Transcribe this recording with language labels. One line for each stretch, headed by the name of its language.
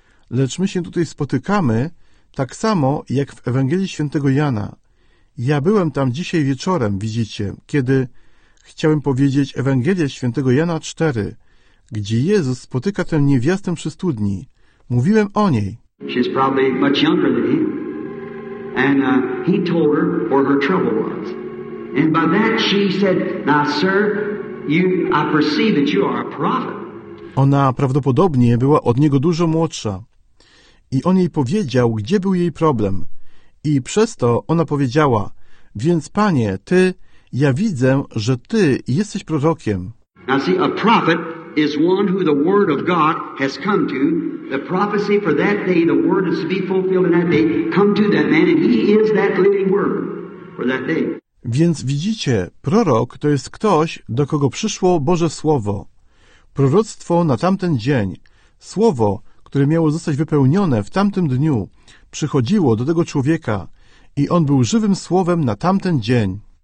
Polish: Lecz my się tutaj spotykamy tak samo jak w Ewangelii Świętego Jana. Ja byłem tam dzisiaj wieczorem, widzicie, kiedy chciałem powiedzieć Ewangelię Świętego Jana 4, gdzie Jezus spotyka tę niewiastę przy studni. Mówiłem o niej.
English: She's probably much younger than him. And he told her where her trouble was. And by that she said, "Now sir, I perceive that you are a prophet."
Polish: Ona prawdopodobnie była od niego dużo młodsza. I on jej powiedział, gdzie był jej problem. I przez to ona powiedziała, więc panie, ty, ja widzę, że ty jesteś prorokiem.
English: Now see, a prophet is one who the word of God has come to. The prophecy for that day, the word is to be fulfilled in that day, come to that man, and he is that living word for that day.
Polish: Więc widzicie, prorok to jest ktoś, do kogo przyszło Boże Słowo. Proroctwo na tamten dzień, Słowo, które miało zostać wypełnione w tamtym dniu, przychodziło do tego człowieka i on był żywym słowem na tamten dzień.